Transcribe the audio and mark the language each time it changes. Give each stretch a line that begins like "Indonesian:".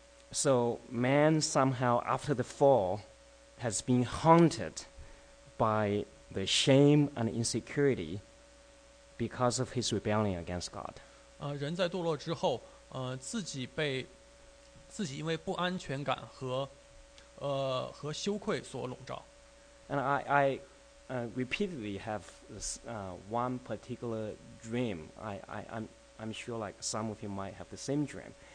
English: So man somehow after the fall has been haunted by the shame and insecurity because of his rebellion against God.
Chinese: 人在堕落之后，自己被自己因为不安全感和和羞愧所笼罩。
English: And I repeatedly have this, one particular dream. I'm sure like some of you might have the same dream.